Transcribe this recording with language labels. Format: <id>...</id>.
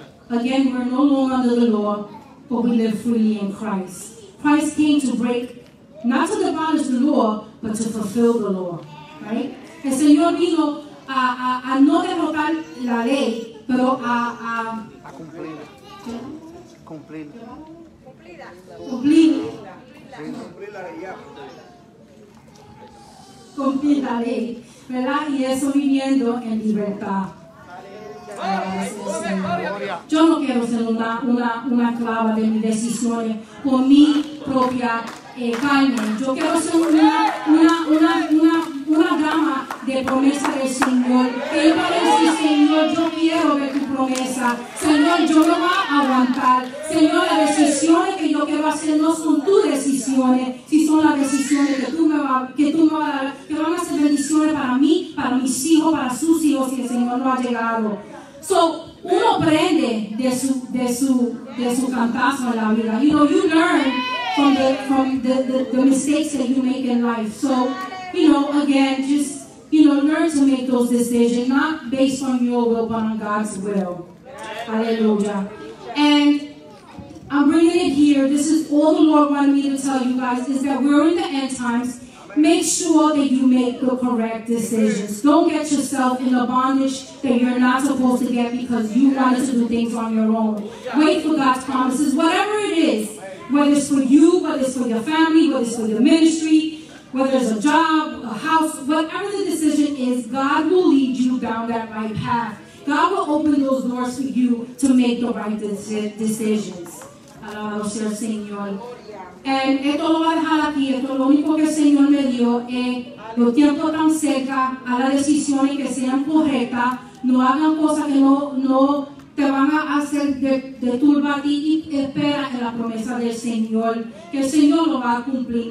<en>Again, we're no longer under the law, but we live freely in Christ. Christ came to break, not to abolish the law, but to fulfill the law. Right?</en> <es>El Señor vino a no derrotar la ley, pero a cumplirla. Cumplirla. Cumplirla. Cumplir la ley. ¿Verdad? Y eso viviendo en libertad. Gracias, yo no quiero ser una clava de mis decisiones por mi propia carne. Yo quiero ser una dama de promesa del Señor. Que yo pueda decir, Señor, yo quiero ver tu promesa. Señor, yo no voy a aguantar. Señor, las decisiones que yo quiero hacer no son tus decisiones, si son las decisiones que tú me vas a dar, que van a ser bendiciones para mí, para mis hijos, para sus hijos, si el Señor no ha llegado. So, uno aprende de su cantazo en la vida.</es> <en>You know, you learn from the mistakes that you make in life. So, you know, again, just, you know, learn to make those decisions, not based on your will, but on God's will. Hallelujah. And I'm bringing it here. This is all the Lord wanted me to tell you guys, is that we're in the end times. Make sure that you make the correct decisions. Don't get yourself in a bondage that you're not supposed to get because you wanted to do things on your own. Wait for God's promises, whatever it is, whether it's for you, whether it's for your family, whether it's for your ministry, whether it's a job, a house, whatever the decision is, God will lead you down that right path. God will open those doors for you to make the right decisions.</en> <es>Esto lo voy a dejar aquí. Esto lo único que el Señor me dio es los tiempos tan cerca a las decisiones que sean correctas. No hagan cosas que no te van a hacer de turba a ti y espera en la promesa del Señor, que el Señor lo va a cumplir.</es>